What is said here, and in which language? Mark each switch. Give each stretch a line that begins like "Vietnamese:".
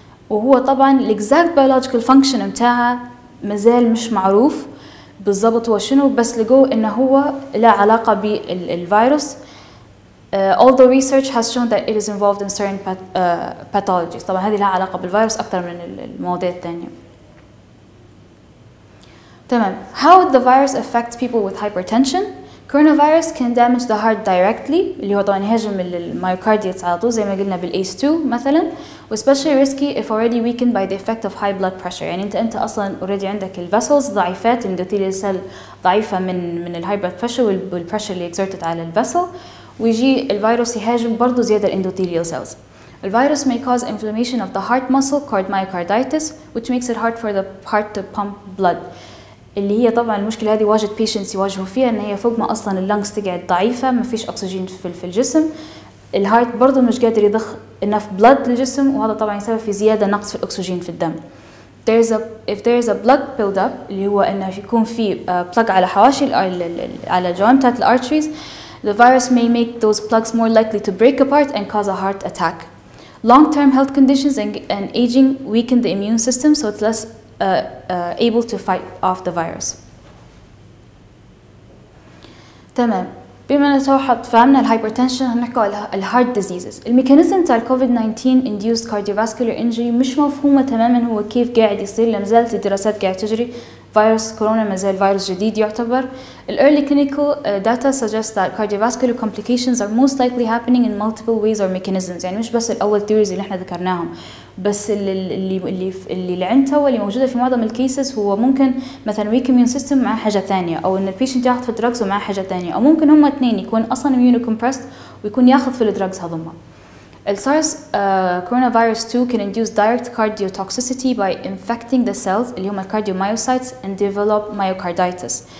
Arabic: وهو طبعا
English: الاكزاكت biological function
Arabic: بتاعها مازال مش معروف بالضبط هو شنو، بس لقوا انه هو له علاقه بالفيروس.
English: All the research has shown that it is involved in certain pathologies.
Arabic: طبعا هذه لها علاقة بالفيروس أكثر من المواضيع الثانية. تمام.
English: How the virus affects people with hypertension? Coronavirus can damage the heart directly.
Arabic: اللي هو طبعا يهاجم الميوكارديتس على طول زي ما قلنا بالACE2 مثلا.
English: Especially risky if already weakened by the effect of high blood pressure.
Arabic: يعني أنت أصلا already عندك الفيسلز ضعيفات، الاندوثيليال سيل ضعيفة من
English: الهاي blood pressure
Arabic: والبريشر اللي اكزرتت على الفيسل. ويجي الفيروس يهاجم برضو زيادة الاندوثيليال سيلز.
English: الفيروس may cause inflammation of the heart muscle called myocarditis which makes it hard for the heart to pump blood.
Arabic: اللي هي طبعا المشكلة هذه واجد patients يواجهوا فيها ان هي فوق ما اصلا اللنجز تقعد ضعيفة، ما فيش اكسجين في الجسم، الهارت برضو مش قادر يضخ
English: enough blood
Arabic: للجسم، وهذا طبعا يسبب في زيادة نقص في الاكسجين في الدم.
English: If there is a plug build up
Arabic: اللي هو انه يكون في plug على حواشي على جوانب تاعت الارتريز،
English: the virus may make those plugs more likely to break apart and cause a heart attack. Long-term health conditions and aging weaken the immune system, so it's less able to fight off the virus.
Arabic: تمام. بما نتوحد فهمنا الهايبرتنشن هنحكي على الهارت ديزيزز. الميكانيزم تاع الكوفيد 19
English: induced cardiovascular injury
Arabic: مش مفهومة تماما هو كيف قاعد يصير، لمازالت الدراسات قاعد تجري. فيروس كورونا مازال فيروس جديد يعتبر.
English: The early clinical data suggests that cardiovascular complications are most likely happening in multiple ways or mechanisms.
Arabic: يعني مش بس الأول theories اللي احنا ذكرناهم، بس اللي عندها واللي موجودة في معظم الكيسز هو ممكن مثلا
English: weak immune system
Arabic: مع حاجة ثانية، أو إن البيشنت ياخذ في الدراجز ومع حاجة ثانية، أو ممكن هما اثنين يكون أصلا immunocompressed ويكون ياخذ في الدراجز هذوما.
English: SARS coronavirus 2 can induce direct cardiotoxicity by infecting the cells
Arabic: اللي هما
English: cardiomyocytes and develop myocarditis.